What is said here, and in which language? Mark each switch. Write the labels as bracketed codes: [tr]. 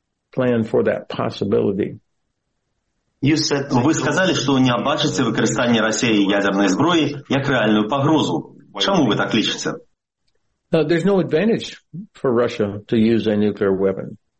[en] Plan for that possibility. [uk] Ви сказали, що не бачите використання Росії ядерної зброї як реальну погрозу. Чому ви так лічите? [en] There's no advantage for Russia to use a nuclear weapon.